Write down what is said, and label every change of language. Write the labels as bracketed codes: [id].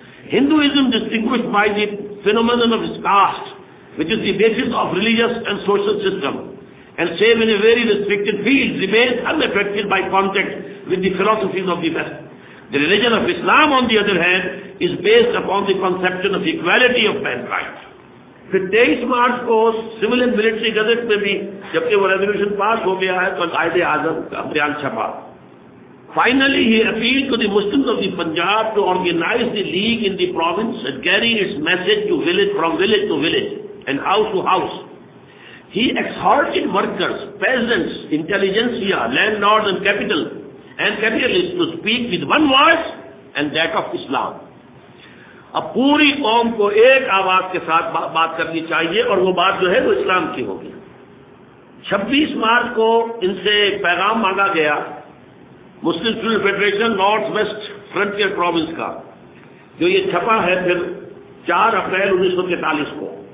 [en] Hinduism distinguished by the phenomenon of its caste, which is the basis of religious and social system, and save in a very restricted field, remains unaffected by contact with the philosophies of the West. The religion of Islam, on the other hand, is based upon the conception of equality of mankind. [ur] پھر 23 مارچ کو civil and military gazette میں بھی، جبکہ وہ resolution pass ہو گیا ہے، تو قائد اعظم کا بیان چھپا. [en] Finally, he appealed to the Muslims of the Punjab to organize the league in the province and carry its message to village, from village to village and house to house. He exhorted workers, peasants, intelligentsia, landlords and capital and capitalists to speak with one voice and that of Islam. [ur] اب پوری قوم کو ایک آواز کے ساتھ بات کرنی چاہیے اور وہ بات جو ہے وہ اسلام کی ہوگی. 26 مارچ کو ان سے پیغام مانگا گیا مسلم student federation north west frontier province کا، جو یہ چھپا ہے پھر 4 اپریل 1943 کو.